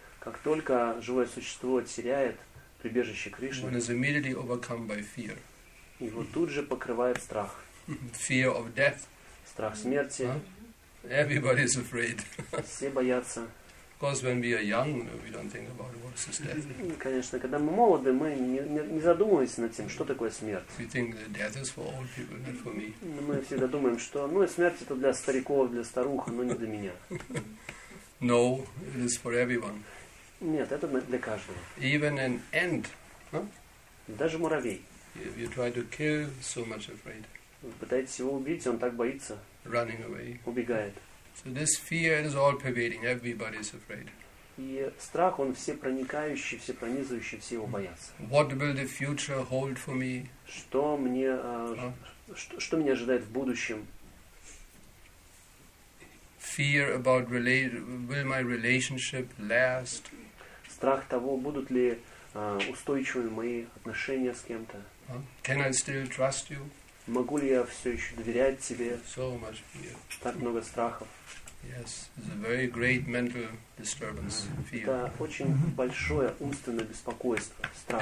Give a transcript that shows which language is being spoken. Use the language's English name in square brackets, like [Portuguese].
[Russian] как только живое существо теряет прибежище Кришны, его тут же покрывает страх. [English] Fear of death. [Russian] Страх смерти. [English] Huh? Everybody is afraid. [Russian] Все боятся. [English] Of course, when we are young, we don't think about what is death. [Russian] Конечно, когда мы молоды, мы не задумываемся над тем, что такое смерть. [English] We think that death is for old people, not for me. [Russian] Мы всегда думаем, что смерть это для стариков, для старух, но не для меня. [English] No, it is for everyone. [Russian] Нет, это для каждого. [English] Even an ant, [Russian] даже муравей. [English] You try to kill, so much afraid. [Russian] Вы пытаетесь его убить, он так боится. [English] Running away. [Russian] Убегает. [English] So this fear is all pervading. Everybody is afraid. [Russian] И страх, он все проникающий, все пронизывающий, все его боятся. [English] What will the future hold for me? [Russian] Что мне, что меня ожидает в будущем? [English] Fear about will my relationship last? [Russian] Страх того, будут ли устойчивы мои отношения с кем-то. [English] Can I still trust you? [Russian] Могу ли я все еще доверять тебе? [English] So much fear. [Russian] Так много страхов. [English] Yes, it's a very great mental disturbance, fear. [Russian] Это очень большое умственное беспокойство, страх.